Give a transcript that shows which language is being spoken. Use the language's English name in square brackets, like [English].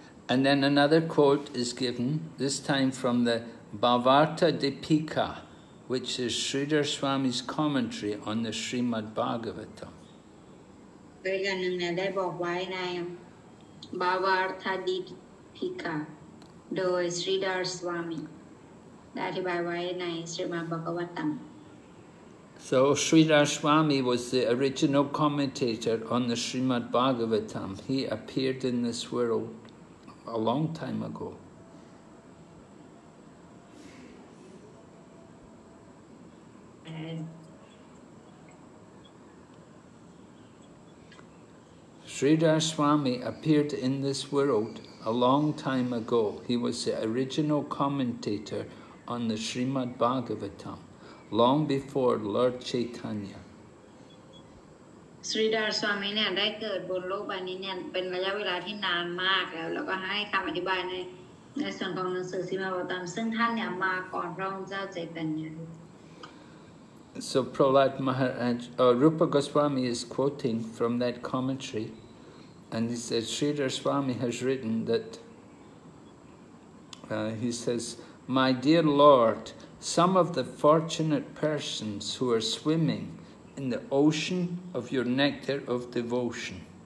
[English] And then another quote is given, this time from the Bhavarta Deepika, which is Sridhar Swami's commentary on the Srimad Bhagavatam. [Thai] เรื่องนึงเนี่ยได้บอกไว้ในบาวาร์ทาดิพิกาโดยสรีดาร์สวามีได้อธิบายไว้ในสรีมาบากวัตตัง [English] So Sridhar Swami was the original commentator on the Srimad Bhagavatam. He appeared in this world a long time ago. Sridhar Swami appeared in this world a long time ago. He was the original commentator on the Srimad Bhagavatam, long before Lord Chaitanya. [Thai] Sridhar Swami เนี่ยได้เกิดบนโลกใบนี้เนี่ยเป็นระยะเวลาที่นานมากแล้วแล้วก็ให้คำอธิบายในส่วนของหนังสือสีมาบทามซึ่งท่านเนี่ยมาก่อนพระองค์เจ้าเจตัญญา [English] So Prahlad Maharaj, Rupa Goswami is quoting from that commentary, and he says, Sridhar Swami has written that, he says, My dear Lord, some of the fortunate persons who are swimming in the ocean of your nectar of devotion,